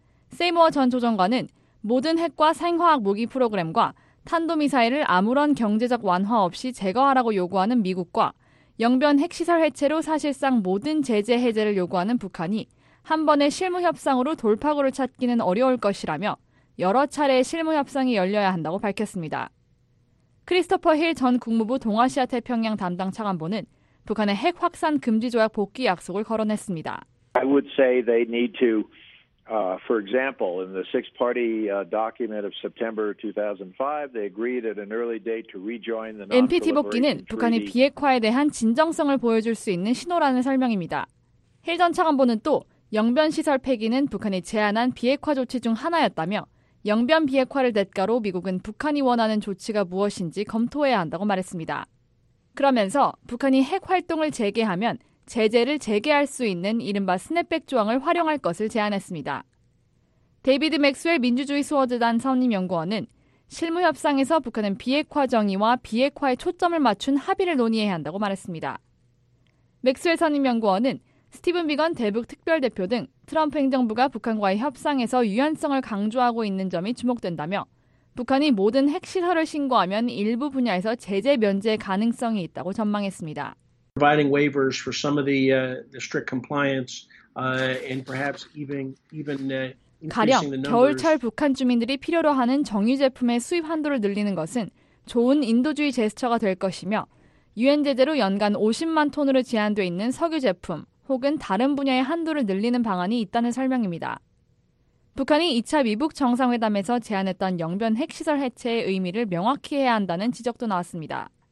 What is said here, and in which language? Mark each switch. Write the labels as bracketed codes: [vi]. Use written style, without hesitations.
[ko] 세이모어 전 조정관은 모든 핵과 생화학 무기 프로그램과 탄도미사일을 아무런 경제적 완화 없이 제거하라고 요구하는 미국과 영변 핵시설 해체로 사실상 모든 제재 해제를 요구하는 북한이 한 번의 실무협상으로 돌파구를 찾기는 어려울 것이라며 여러 차례의 실무협상이 열려야 한다고 밝혔습니다. 크리스토퍼 힐 전 국무부 동아시아 태평양 담당 차관보는 북한의 핵 확산 금지 조약 복귀 약속을 거론했습니다. [en] I would say they need to, for example, in the six-party document of September 2005, they agreed at an early date to rejoin the [ko] NPT 복귀는 북한의 비핵화에 대한 진정성을 보여줄 수 있는 신호라는 설명입니다. 힐 전 차관보는 또 영변시설 폐기는 북한이 제안한 비핵화 조치 중 하나였다며 영변 비핵화를 대가로 미국은 북한이 원하는 조치가 무엇인지 검토해야 한다고 말했습니다. 그러면서 북한이 핵 활동을 재개하면 제재를 재개할 수 있는 이른바 스냅백 조항을 활용할 것을 제안했습니다. 데이비드 맥스웰 민주주의 수호재단 선임연구원은 실무협상에서 북한은 비핵화 정의와 비핵화에 초점을 맞춘 합의를 논의해야 한다고 말했습니다. 맥스웰 선임연구원은 스티븐 비건 대북 특별대표 등 트럼프 행정부가 북한과의 협상에서 유연성을 강조하고 있는 점이 주목된다며 북한이 모든 핵시설을 신고하면 일부 분야에서 제재 면제 가능성이 있다고 전망했습니다. [en] Providing waivers for some of the strict compliance and perhaps even increasing the numbers. [ko] 가령 겨울철 북한 주민들이 필요로 하는 정유 제품의 수입 한도를 늘리는 것은 좋은 인도주의 제스처가 될 것이며 유엔 제재로 연간 50만 톤으로 제한돼 있는 석유 제품 혹은 다른 분야의 한도를 늘리는 방안이 있다는 설명입니다. 북한이 2차 미북 정상회담에서 제안했던 영변 핵시설 해체의 의미를 명확히 해야 한다는 지적도 나왔습니다.